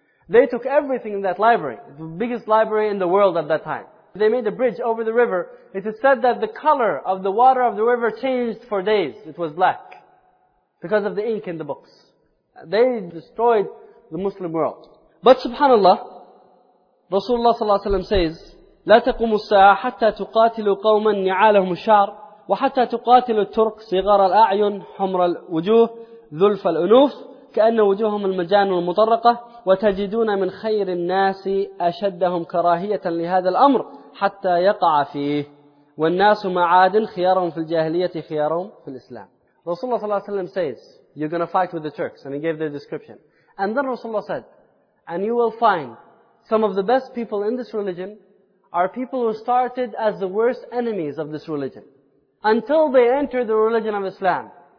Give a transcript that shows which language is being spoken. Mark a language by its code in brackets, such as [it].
[en] They took everything in that library, the biggest library in the world at that time. They made a bridge over the river. It is said that the color of the water of the river changed for days. It was black because of the ink in the books. They destroyed the Muslim world. But subhanAllah, Rasulullah sallallahu alayhi wa sallam says, [ar] لا تقوم الساعة حتى تقاتل قوما نعالهم الشعر وحتى تقاتل الترك صغار الأعين حمر الوجوه ذلف الأنوف كأن وجوههم المجان المطرقة وتجدون من خير الناس أشدهم كراهية لهذا الأمر حتى يقع فيه والناس معاد خيارهم في الجاهلية خيارهم في الإسلام. [en] Rasulullah صلى الله عليه وسلم says, you're going to fight with the Turks, and he gave the description. And then Rasulullah said, and you will find some of the best people in this religion are people who started as the worst enemies of this religion until they enter the religion of Islam.